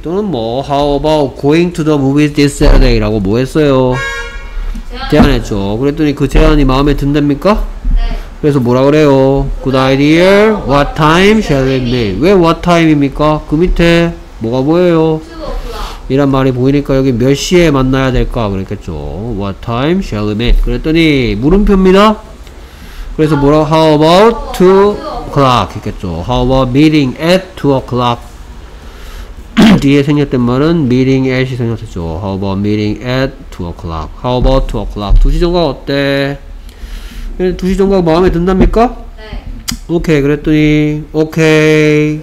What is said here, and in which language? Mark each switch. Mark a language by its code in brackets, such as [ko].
[en] 또는 뭐 How about going to the movies this Saturday? [ko] 라고 뭐 했어요? 제안했죠. 그랬더니 그 제안이 마음에 든답니까? 네. 그래서 뭐라 그래요? [en] Good idea. What time shall we meet? [ko] 왜 what time입니까? 그 밑에 뭐가 보여요? 이란 말이 보이니까 여기 몇 시에 만나야 될까? 그랬겠죠. [en] What time shall we meet? [ko] 그랬더니 물음표입니다. 그래서 뭐라 [en] How about 2 o'clock [ko] 했겠죠. [en] How about meeting at 2 o'clock [ko] 뒤에 생겼던 말은 [en] meeting at이 생겼었죠. How about meeting at 2 o'clock How about 2 o'clock [ko] 2시 정각 어때? 2시 정각 마음에 든답니까? 네. 오케이 그랬더니 오케이